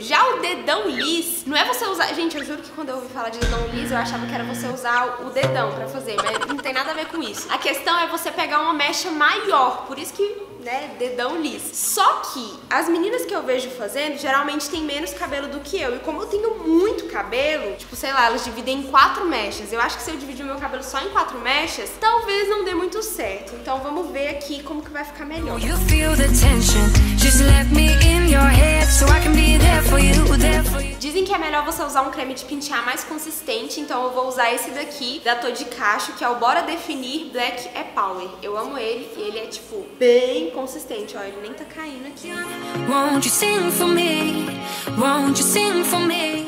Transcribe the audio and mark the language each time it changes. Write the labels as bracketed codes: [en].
[pt] Já o dedão liso, não é você usar... Gente, eu juro que quando eu ouvi falar de dedão liso, eu achava que era você usar o dedão pra fazer, mas não tem nada a ver com isso. A questão é você pegar uma mecha maior, por isso que, né, dedão liso. Só que as meninas que eu vejo fazendo, geralmente tem menos cabelo do que eu. E como eu tenho muito cabelo, tipo, sei lá, elas dividem em 4 mechas. Eu acho que se eu dividir o meu cabelo só em 4 mechas, talvez não dê muito certo. Então vamos ver aqui como que vai ficar melhor. [en] You feel the tension? Just let me in your head so I can be there for you, there for you. [pt] Dizem que é melhor você usar um creme de pentear mais consistente, então eu vou usar esse daqui da Todi Cacho, que é o Bora Definir Black é Power. Eu amo ele e ele é, tipo, bem consistente. Ó, ele nem tá caindo aqui. [en] Won't you sing for me? Won't you sing for me?